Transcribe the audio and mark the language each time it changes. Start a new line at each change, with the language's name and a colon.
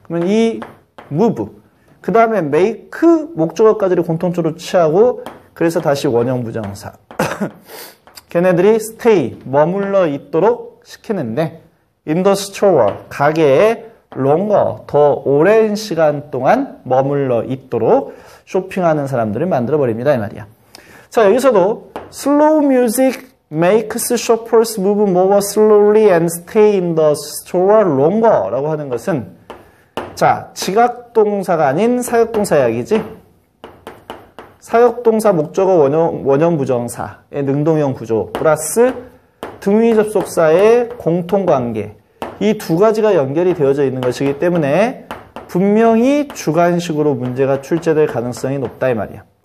Korean: 그러면 이 move, 그 다음에 make, 목적어까지를 공통적으로 취하고 그래서 다시 원형 부정사. 걔네들이 stay, 머물러 있도록 시키는데
English: in the store,
Korean: 가게에 longer, 더 오랜 시간 동안 머물러 있도록 쇼핑하는 사람들을 만들어버립니다. 이 말이야. 자, 여기서도
English: slow music makes shoppers move more slowly and stay in the store longer
Korean: 라고 하는 것은 자, 지각동사가 아닌 사역동사 이야기지. 사역동사 목적어 원형부정사의 능동형 구조 플러스 등위접속사의 공통관계, 이 두 가지가 연결이 되어져 있는 것이기 때문에 분명히 주관식으로 문제가 출제될 가능성이 높다 이 말이야.